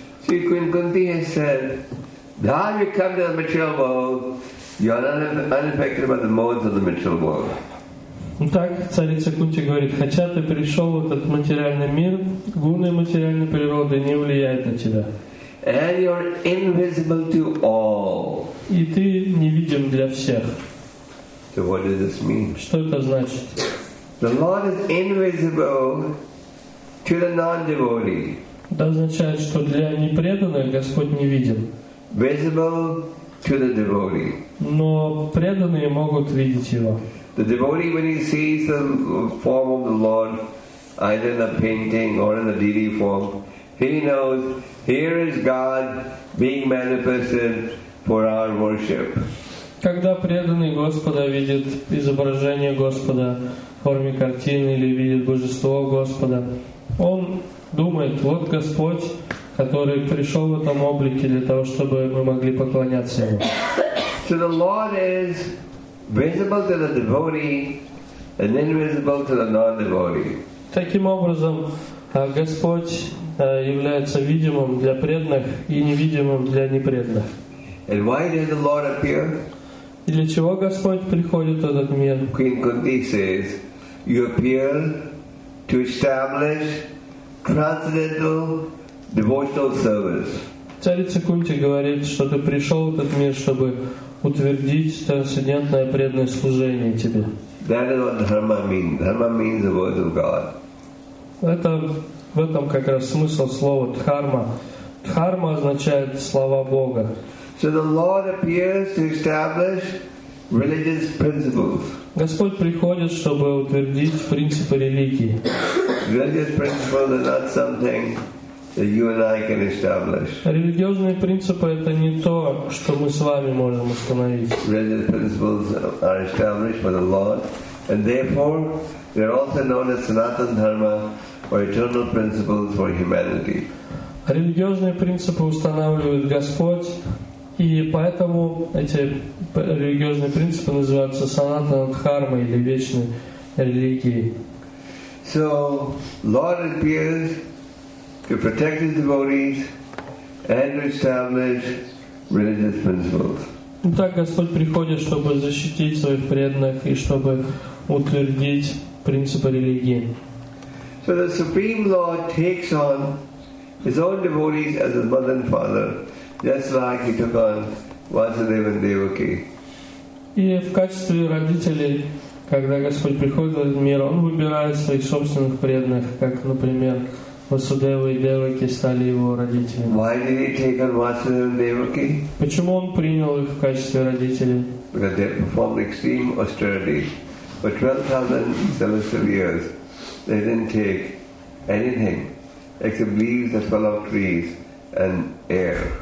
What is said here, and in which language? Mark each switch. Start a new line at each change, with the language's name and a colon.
English: Sri Queen Kunti has said, now you come to the material world, you are unaffected by the modes of the material world.
Russian: Итак, царица Кунти говорит, хотя ты пришел в этот материальный мир, гуны материальной природы не влияют на тебя.
English: And you are invisible to all.
Russian: И ты невидим для всех.
English: So what does this mean?
Russian: Что это значит?
English: The Lord is invisible to the non-devotee.
Russian: Это означает, что для непреданных Господь невидим.
English: Visible to the devotee.
Russian: Но преданные могут видеть Его.
English: The devotee, when he sees the form of the Lord, either in a painting or in a deity form, he knows here is God being manifested for our worship.
Russian: Когда преданный Господа видит изображение Господа в форме картины или видит божество Господа, он думает, вот Господь, который пришел в этом облике для того, чтобы мы могли поклоняться Ему.
English: So the Lord is visible to the devotee and invisible to the non-devotee.
Russian: Таким образом, Господь является видимым для преданных и невидимым для непреданных.
English: And why does the Lord appear?
Russian: И для чего Господь приходит в этот мир?
English: Queen Kunti says, you appear to establish transcendental devotional service.
Russian: Царица Кунти говорит, что ты пришел в этот мир, чтобы утвердить трансцендентное преданное служение тебе.
English: That is what dharma means. Dharma means the word of God.
Russian: Это в этом как раз смысл слова дхарма. Дхарма означает слова Бога.
English: So the Lord appears to establish religious principles.
Russian: Господь приходит, чтобы утвердить принципы религии.
English: Religious principles are not something that you and I can establish.
Russian: Религиозные принципы — это не то, что мы с вами можем установить.
English: Religious principles are established by the Lord, and therefore they are also known as Sanatana Dharma, or eternal principles for humanity.
Russian: Религиозные принципы устанавливает Господь, и поэтому эти религиозные принципы называются Санатана Дхарма или вечной религией.
English: So, Lord appears to protect his devotees and establish religious principles.
Russian: Итак, Господь приходит, чтобы защитить своих преданных и чтобы утвердить принципы религии.
English: So the Supreme Lord takes on his own devotees as his mother and father, just like he took on Vasudeva and Devaki.
Russian: И в качестве родителей, когда Господь приходит в этот мир, Он выбирает своих собственных преданных, как, например, Васудева и Деваки стали его родителями.
English: Why did he take on Vasudeva and Devaki?
Russian: Почему он принял их в качестве родителей?
English: Because they performed extreme austerity for 12,000 celestial years. They didn't take anything except leaves that fell off trees and air.